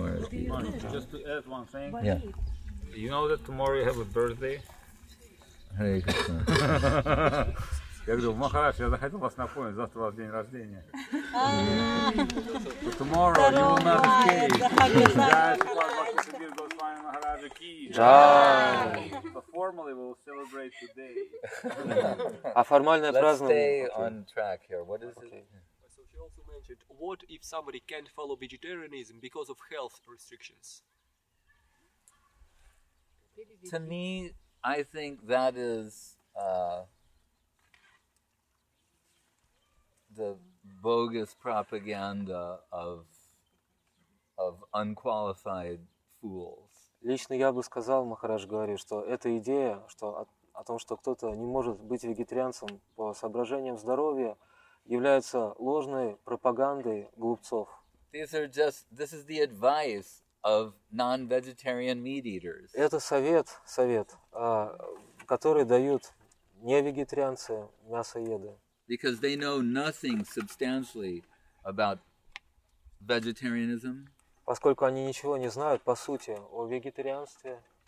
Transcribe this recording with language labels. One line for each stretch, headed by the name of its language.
English: You know that tomorrow you have a birthday? Hare Krishna.
Russian: Я говорю, Махарадж, я захотел вас напомнить, завтра у вас день рождения.
English: Tomorrow you will not escape. Jai Shri Bhaktisiddhanta Goswami Maharaj ki. Jai. So formally we'll celebrate today.
Russian: А формальное празднование.
English: Let's stay on track here. What is it? So she also mentioned, what if somebody can't follow vegetarianism because of health restrictions? To me, I think that is the bogus propaganda of unqualified fools.
Russian: Лично я бы сказал, Махарадж говорит, что эта идея, что о том, что кто-то не может быть вегетарианцем по соображениям здоровья, является ложной пропагандой глупцов.
English: This is the advice of non-vegetarian meat eaters.
Russian: Это совет, который дают не вегетарианцы, мясоеды.
English: Because they know nothing substantially about vegetarianism.
Russian: Поскольку они ничего не знают по сути о вегетарианстве.